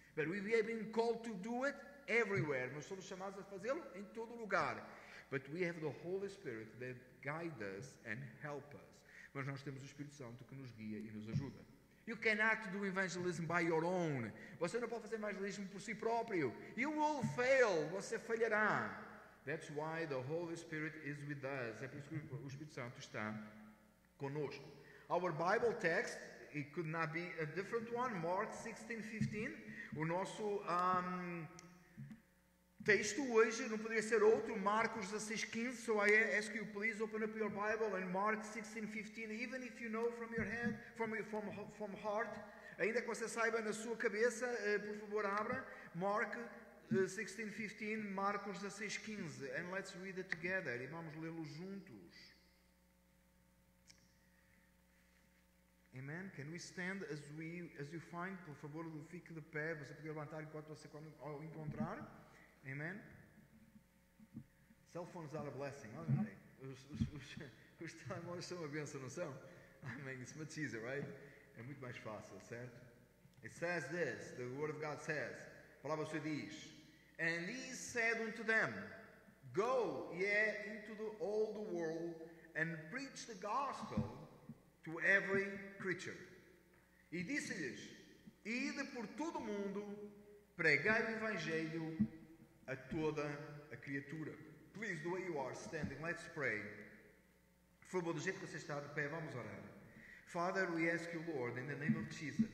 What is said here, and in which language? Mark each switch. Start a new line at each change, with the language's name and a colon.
English: But we have been called to do it everywhere.
Portuguese: Nós somos chamados a fazê-lo em todo lugar.
English: But we have the Holy Spirit that guides us and help us.
Portuguese: Mas nós temos o Espírito Santo que nos guia e nos ajuda.
English: You cannot do evangelism by your own.
Portuguese: Você não pode fazer evangelismo por si próprio.
English: You will fail.
Portuguese: Você falhará.
English: That's why the Holy Spirit is with us.
Portuguese: É por isso que o Espírito Santo está conosco.
English: Our Bible text, it could not be a different one, Mark 16:15.
Portuguese: O nosso texto hoje não poderia ser outro, Marcos 16:15.
English: So I ask you, please open up your Bible and Mark 16:15, even if you know from your head, from heart,
Portuguese: Ainda que você saiba na sua cabeça, por favor, abra Marcos 16:15.
English: And let's read it together.
Portuguese: E vamos lê-lo juntos.
English: Amen. Can we stand as we as you find?
Portuguese: Por favor, fique de pé. Você pode levantar enquanto você ao encontrar. Amen.
English: Cell phones are a blessing, aren't they?
Portuguese: Os telemóveis são uma bênção, não são?
English: I mean, it's much easier, right?
Portuguese: É muito mais fácil, certo?
English: It says this, the word of God says,
Portuguese: a palavra do Senhor diz,
English: and he said unto them, go, yeah, into all the world, and preach the gospel to every creature.
Portuguese: E disse-lhes, ide por todo o mundo, pregai o evangelho a toda a criatura.
English: Please, the way you are standing, let's pray.
Portuguese: Por favor, do jeito que você está de pé, vamos orar.
English: Father, we ask you, Lord, in the name of Jesus.